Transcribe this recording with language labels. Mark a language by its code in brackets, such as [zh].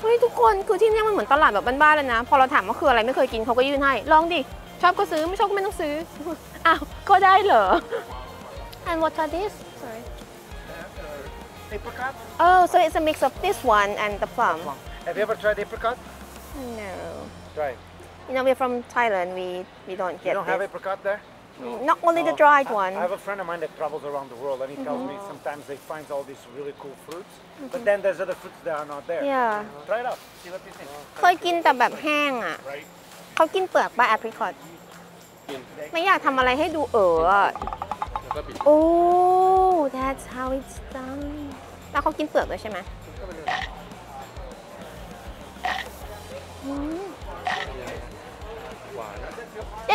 [th] เฮ้ยทุกคนคือที่นี่มันเหมือนตลาดแบบบ้านๆเลยนะพอเราถามว่าคืออะไรไม่เคยกินเขาก็ยื่นให้ลองดิชอบก็ซื้อไม่ชอบก็ไม่ต้องซื้ออ้าวก็ได้เหรอ [en] And what are these? Sorry Apricot? Oh, so it's a mix of this one and the plum. Have you ever tried apricot? No. Try. You know, we're from Thailand. We don't get You don't this. Have apricot there? No. Not only no. the dried one. I have a friend of mine that travels around the world and he tells me sometimes they find all these really cool fruits. Mm-hmm. But then there's other fruits that are not there. Yeah. Try it out. See what you think. [th] เคยกินแต่แบบแห้งอ่ะ เขากินเปลือกใบแอปริคอตไม่อยากทำอะไรให้ดูเอ๋อ [en] Oh, that's how it's done. [th] แล้วเขากินเปลือกด้วยใช่ไหม ยั